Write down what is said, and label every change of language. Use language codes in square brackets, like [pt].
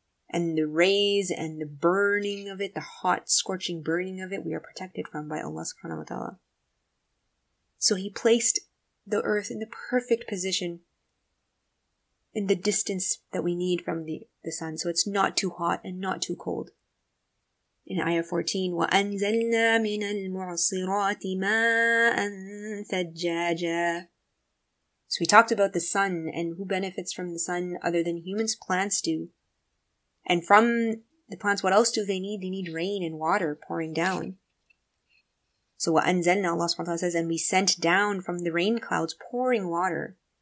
[en] And the rays and the burning of it, the hot, scorching burning of it, we are protected from by Allah subhanahu wa ta'ala. So He placed the earth in the perfect position, in the distance that we need from the sun, so it's not too hot and not too cold. In ayah 14, [ar] وَأَنْزَلْنَا مِنَ الْمُعْصِرَاتِ مَاءً ثَجَّاجًا. [en] So we talked about the sun, and who benefits from the sun other than humans? Plants do. And from the plants, what else do they need? They need rain and water pouring down. So وَأَنْزَلْنَا, Allah subhanahu wa ta'ala says, and we sent down from the rain clouds pouring water.